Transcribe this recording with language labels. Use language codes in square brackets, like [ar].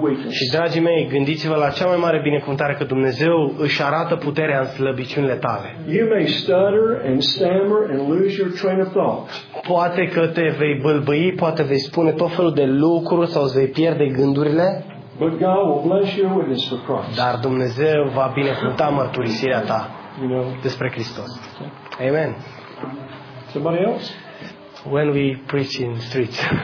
[ro] Și, dragii mei, gândiți-vă la cea mai mare binecuvântare, că Dumnezeu își arată puterea în slăbiciunile tale. [en] You may stutter and stammer and lose your train of thought. [ro] Poate că te vei bâlbâi, poate vei spune tot felul de lucruri sau îți vei pierde gândurile. [en] But God will bless your witness for Christ. [ro] Dar Dumnezeu va binecuvânta mărturisirea ta despre Hristos. [en] Amen. Somebody else? When we preach in streets.